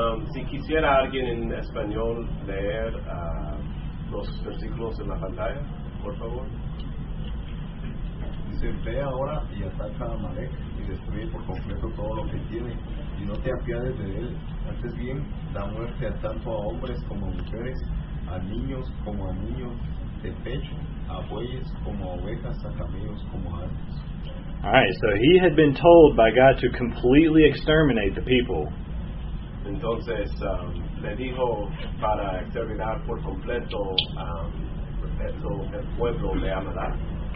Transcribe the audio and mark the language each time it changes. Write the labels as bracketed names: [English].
[Spanish] Si quisiera alguien en español leer los versículos en la pantalla, por favor. Dice, ve ahora y ataca a Amalek y destruye por completo todo lo que tiene, y no te apiades de él. Antes bien, da muerte a tanto a hombres como a mujeres, a niños como a niños de pecho, a bueyes como a ovejas, a camellos como a asnos. [English] Alright, so he had been told by God to completely exterminate the people. [Spanish] Entonces, le dijo para exterminar por completo el pueblo de Amalek.